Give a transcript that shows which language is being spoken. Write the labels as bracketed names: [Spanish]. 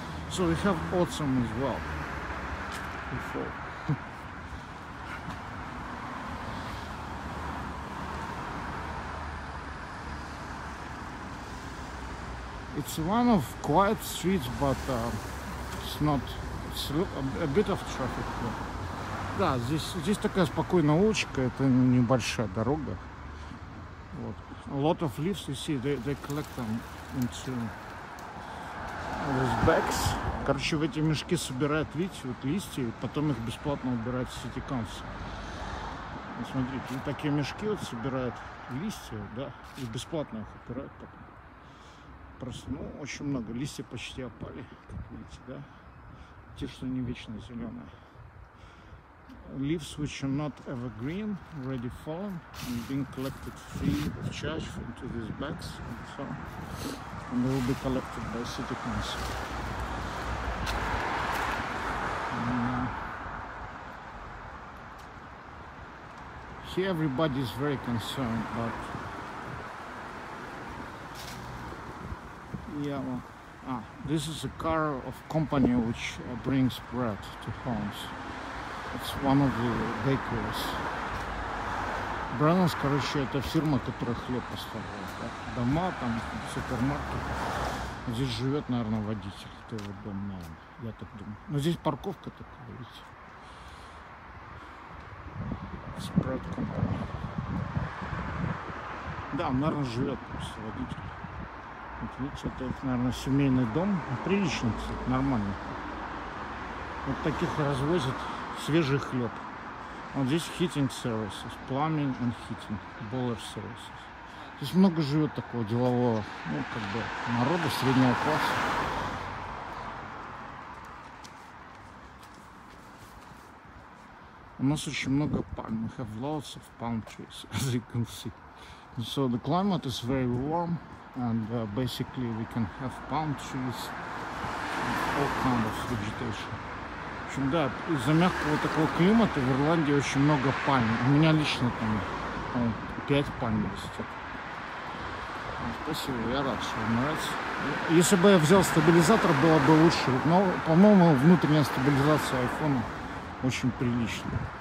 [English] So we have bought some as well. Before. It's one of quiet streets, but it's not. It's a bit of traffic. [Russian] Да, здесь такая спокойная улочка, это небольшая дорога. Вот. [English] A lot of leaves, you see, they collect them into those bags. [Russian] Короче, в эти мешки собирают, видите, вот листья, и потом их бесплатно убирают в City Council. Смотрите, и такие мешки вот собирают листья, да, и бесплатно их убирают потом. Просто, ну, очень много. Листья почти опали, как видите, да. Те, что не вечно зеленые. [English] Leaves which are not evergreen, already fallen, and being collected free of charge into these bags, and so on. And they will be collected by City Council. Here everybody is very concerned, but... Yeah, well... Ah, this is a car of company which brings bread to homes. It's one of the bakers. [Russian] Brennan's, короче, это фирма, которая хлеб поставляет. Да? Дома, там, супермаркет. Здесь живет, наверное, водитель. Это его дом, наверное, я так думаю. Но здесь парковка такая, видите. [English] Spread company. [Russian] Да, наверное, живет просто водитель. Вот видите, это, наверное, семейный дом. Приличный, кстати, нормальный. Вот таких развозят. Свежий хлеб. Вот здесь [English] heating services, plumbing and heating, boiler services. [Russian] Здесь много живет такого делового, ну, как бы, народа среднего класса. У нас очень много пальм. [English] We have lots of palm trees, as you can see. And so the climate is very warm, and basically we can have palm trees and all kind of vegetation. [Russian] В общем, да, из-за мягкого такого климата в Ирландии очень много пальм. У меня лично там 5 пальм растет. Спасибо, я рад, что вам нравится. Если бы я взял стабилизатор, было бы лучше. Но, по-моему, внутренняя стабилизация айфона очень приличная.